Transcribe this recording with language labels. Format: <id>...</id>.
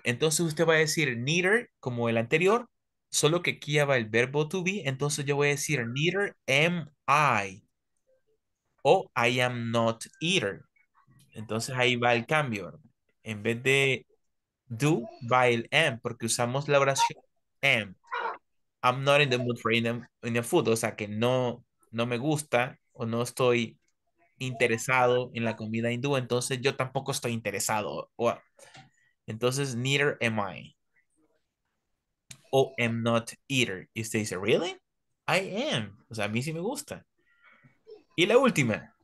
<es>Entonces usted va a decir neither como el anterior, solo que aquí ya va el verbo to be. Entonces yo voy a decir</es> <en>neither am I.</en> <es>O</es> <en>I am not either.</en> <es>Entonces ahí va el cambio. En vez de do, va el am, porque usamos la oración am.</es> <en>I'm not in the mood for Indian food.</en> <es>O sea que no me gusta o no estoy interesado en la comida hindú, entonces yo tampoco estoy interesado. Entonces,</es> <en>neither am I.</en> <es>O</es> <en>am not either.</en> <es>Y usted dice,</es> <en>really? I am.</en> <es>O sea, a mí sí me gusta. Y la última.</es>